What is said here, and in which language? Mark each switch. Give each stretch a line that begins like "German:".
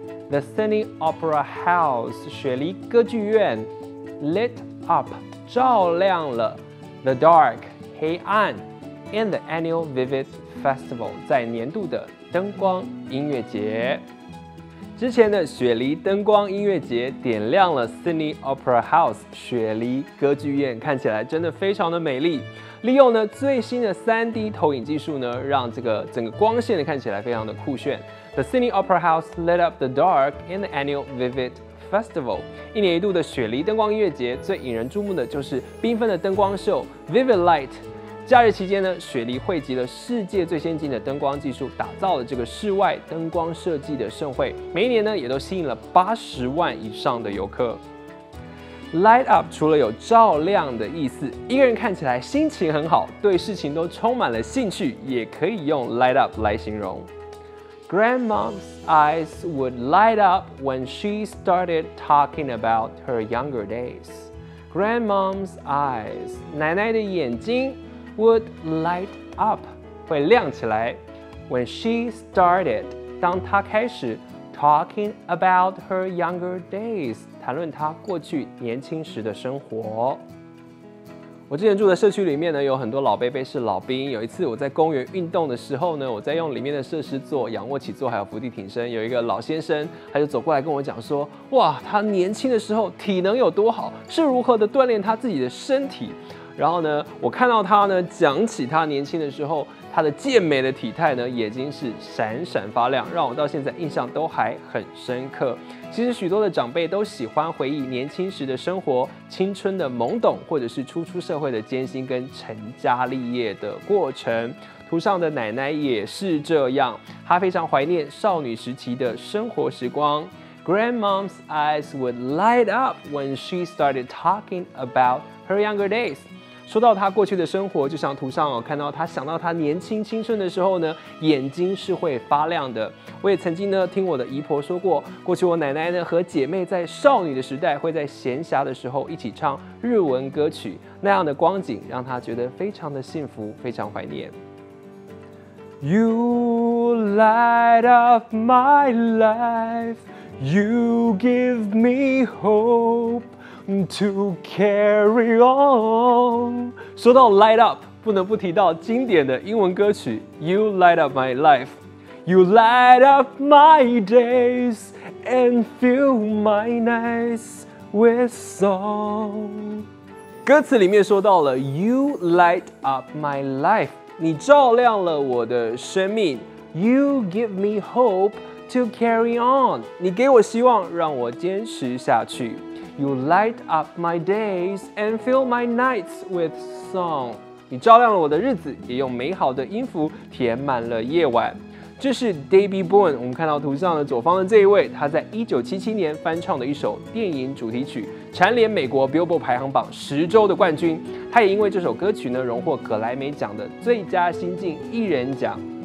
English: The Sydney Opera House
Chinese: 雪梨歌剧院
English: lit up
Chinese: 照亮了
English: the dark
Chinese: 黑暗
English: in the annual Vivid Festival
Chinese: 在年度的灯光音乐节。之前的雪梨灯光音乐节点亮了 Sydney Opera House 雪梨歌剧院，看起来真的非常的美丽。利用呢最新的 3D 投影技术呢，让这个整个光线呢看起来非常的酷炫。
English: The Sydney Opera House lit up the dark in the annual Vivid Festival，
Chinese: 一年一度的雪梨灯光音乐节，最引人注目的就是缤纷的灯光秀 Vivid Light。假日期间呢，雪梨汇集了世界最先进的灯光技术，打造了这个室外灯光设计的盛会。每一年呢，也都吸引了80万以上的游客。 Light up 除了有照亮的意思，一个人看起来心情很好，对事情都充满了兴趣，也可以用 light up 来形容。
English: Grandma's eyes would light up when she started talking about her younger days. Grandma's eyes，
Chinese: 奶奶的眼睛
English: would light up，
Chinese: 会亮起来。
English: When she started，
Chinese: 当她开始
English: talking about her younger days。
Chinese: 谈论他过去年轻时的生活。我之前住的社区里面呢，有很多老伯伯是老兵。有一次我在公园运动的时候呢，我在用里面的设施做仰卧起坐，还有伏地挺身。有一个老先生，他就走过来跟我讲说：“哇，他年轻的时候体能有多好，是如何的锻炼他自己的身体。” 然后呢，我看到他呢讲起他年轻的时候，他的健美的体态呢，眼睛是闪闪发亮，让我到现在印象都还很深刻。其实许多的长辈都喜欢回忆年轻时的生活，青春的懵懂，或者是初出社会的艰辛跟成家立业的过程。图上的奶奶也是这样，她非常怀念少女时期的生活时光。
English: Grandmom's eyes would light up when she started talking about her younger days.
Chinese: 说到他过去的生活，就像图上看到他想到他年轻青春的时候呢，眼睛是会发亮的。我也曾经呢听我的姨婆说过，过去我奶奶呢和姐妹在少女的时代会在闲暇的时候一起唱日文歌曲，那样的光景让她觉得非常的幸福，非常怀念。
English: You light up my life, You give me hopeTo carry on.
Chinese: 说到 light up, 不能不提到经典的英文歌曲 You light up my life.
English: You light up my days and fill my nights with song.
Chinese: 歌词里面说到了 You light up my life. 你照亮了我的生命。
English: You give me hope to carry on.
Chinese: 你给我希望，让我坚持下去。
English: You light up my days and fill my nights with song.
Chinese: 你照亮了我的日子，也用美好的音符填满了夜晚。这是 Davey Boone， 我们看到图上的左方的这一位，他在1977年翻唱的一首电影主题曲，蝉联美国 Billboard 排行榜十周的冠军。他也因为这首歌曲呢，荣获格莱美奖的最佳新晋艺人奖。